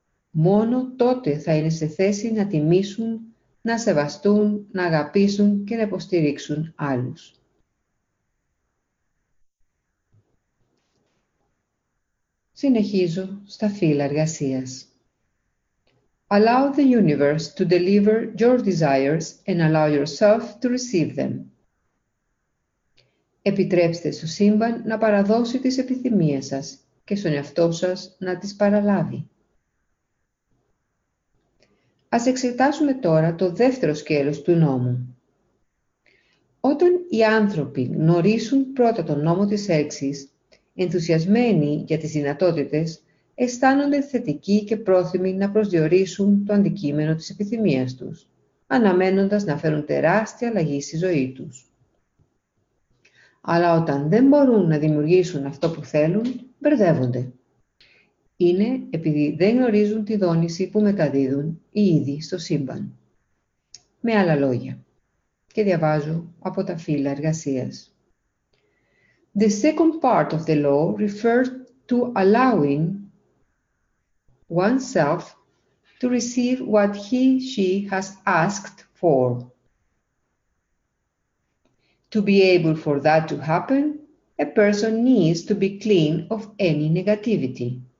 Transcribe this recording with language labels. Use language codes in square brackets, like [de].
[el] Μόνο τότε θα είναι σε θέση να τιμήσουν, να σεβαστούν, να αγαπήσουν και να υποστηρίξουν άλλους. Συνεχίζω στα φύλλα εργασίας. [en] Allow the universe to deliver your desires and allow yourself to receive them. [el] Επιτρέψτε στο σύμπαν να παραδώσει τις επιθυμίες σας και στον εαυτό σας να τις παραλάβει. Ας εξετάσουμε τώρα το δεύτερο σκέλος του νόμου. Όταν οι άνθρωποι γνωρίσουν πρώτα τον νόμο της έλξης, ενθουσιασμένοι για τις δυνατότητες, αισθάνονται θετικοί και πρόθυμοι να προσδιορίσουν το αντικείμενο της επιθυμίας τους, αναμένοντας να φέρουν τεράστια αλλαγή στη ζωή τους. Αλλά όταν δεν μπορούν να δημιουργήσουν αυτό που θέλουν, μπερδεύονται. Είναι επειδή δεν γνωρίζουν τη δόνηση που μεταδίδουν οι ίδιοι στο σύμπαν. Με άλλα λόγια, και διαβάζω από τα φύλλα εργασίας. [en] The second part of the law refers to allowing oneself to receive what he/she has asked for. To be able for that to happen, a person needs to be clean of any negativity.